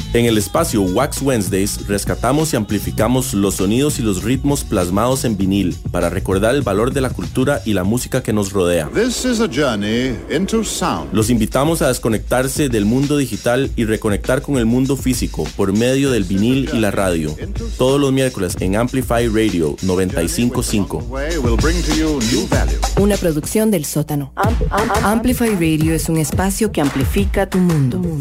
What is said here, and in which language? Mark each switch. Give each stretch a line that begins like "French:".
Spanish: En el espacio Wax Wednesdays rescatamos y amplificamos los sonidos y los ritmos plasmados en vinil para recordar el valor de la cultura y la música que nos rodea.
English: This is a journey into sound.
Spanish: Los invitamos a desconectarse del mundo digital y reconectar con el mundo físico por medio del vinil y la radio. Todos los miércoles en Amplify Radio 95.5. Una producción del sótano. Amplify Radio es un espacio que amplifica tu mundo.